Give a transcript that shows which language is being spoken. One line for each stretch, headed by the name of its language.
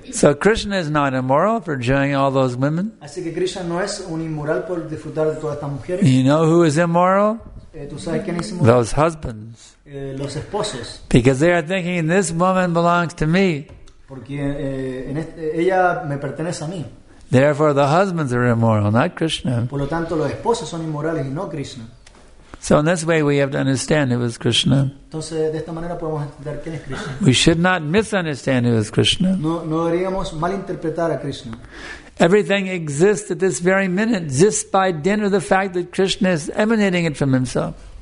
English: So Krishna is not immoral for enjoying all those women.
Spanish: Así que Krishna no es un inmoral por disfrutar de todas estas mujeres.
English: You know who is immoral?
Spanish: ¿Tú sabes quién es
English: immoral? Those husbands.
Spanish: Los esposos.
English: Because they are thinking, this woman belongs to me.
Spanish: Porque ella me pertenece a mí.
English: Therefore, the husbands are immoral, not Krishna.
Spanish: Por lo tanto, los esposos son inmorales y no Krishna.
English: So in this way, we have to understand who is Krishna.
Spanish: Entonces, de esta manera podemos entender quién es Krishna.
English: We should not misunderstand who is Krishna.
Spanish: No deberíamos malinterpretar a Krishna.
English: Everything exists at this very minute just by dint of the fact that Krishna is emanating it from himself.